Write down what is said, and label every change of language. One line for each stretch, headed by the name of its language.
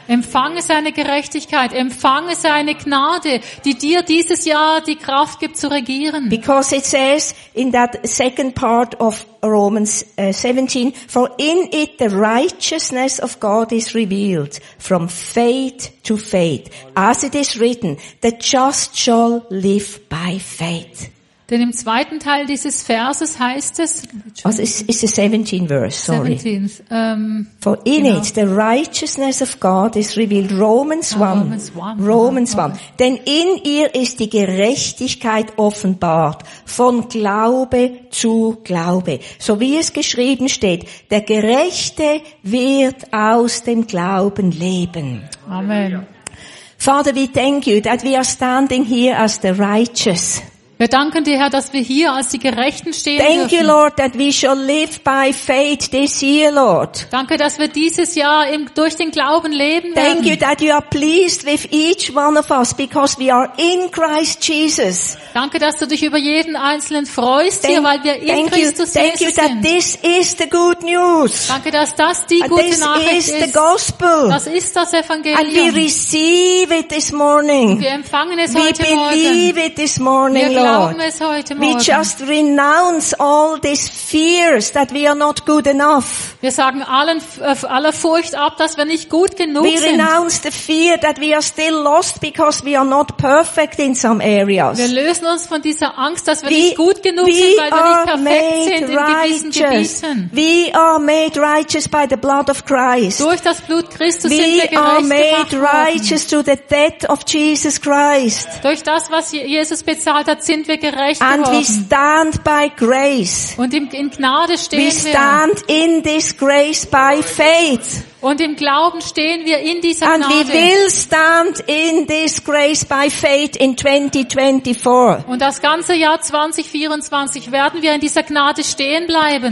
German: Empfange seine Gerechtigkeit, empfange seine Gnade, die dir dieses Jahr die Kraft gibt zu regieren.
English: Because it says in that second part of Romans 17, for in it the righteousness of God is revealed from faith to faith, as it is written, the just shall live by faith.
German: Denn im zweiten Teil dieses Verses heißt es,
English: also it's the 17 verse, sorry. 17th, for in
German: genau.
English: it the righteousness of God is revealed, Romans 1.
German: Denn in ihr ist die Gerechtigkeit offenbart, von Glaube zu Glaube. So wie es geschrieben steht, der Gerechte wird aus dem Glauben leben.
English: Amen. Father, we thank you that we are standing here as the righteous.
German: Wir danken dir, Herr, dass wir hier als die Gerechten stehen
English: Thank
German: dürfen.
English: You, Lord, that we shall live by faith this year, Lord.
German: Danke, dass wir dieses Jahr durch den Glauben leben werden.
English: Thank you that you are pleased with each one of us because we are in Christ Jesus.
German: Danke, dass du dich über jeden einzelnen freust hier, weil wir in Christus Jesus sind.
English: Thank you that this is the good news.
German: Danke, dass das die gute
English: this
German: Nachricht
English: is
German: ist.
English: The gospel.
German: Das ist das Evangelium.
English: And we receive it this morning.
German: Wir empfangen es
English: we
German: heute Morgen.
English: We believe it this morning. We just renounce all these fears that we are not good enough.
German: Wir sagen aller Furcht ab, dass wir nicht gut genug sind.
English: We renounce the fear that we are still lost because we are not perfect in some areas.
German: Wir lösen uns von dieser Angst, dass wir nicht gut genug sind, weil wir nicht perfekt sind in gewissen Gebieten.
English: We are made righteous by the blood of Christ.
German: Durch das Blut Christus sind wir gerecht gemacht.
English: We are made righteous through the death of Jesus Christ.
German: Durch das, was Jesus bezahlt hat, sind wir gerecht geworden.
English: And we stand by grace.
German: Und in Gnade stehen wir.
English: We stand in this grace by faith.
German: Und im Glauben stehen wir in dieser Gnade.
English: And we will stand in this grace by faith in 2024.
German: Und das ganze Jahr 2024 werden wir in dieser Gnade stehen bleiben.